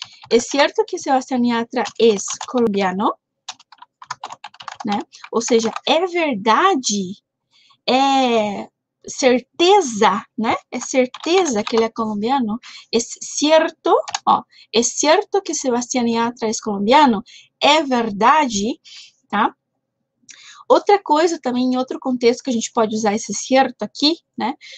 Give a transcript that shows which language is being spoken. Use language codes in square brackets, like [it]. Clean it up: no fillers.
[es] Es cierto que Sebastián Yatra es colombiano, né? [pt] Ou seja, é verdade, é certeza, né? É certeza que ele é colombiano. [es] Es cierto, ó. Es cierto que Sebastián Yatra es colombiano. [pt] É verdade, tá? Outra coisa também, em outro contexto, que a gente pode usar esse certo aqui, né?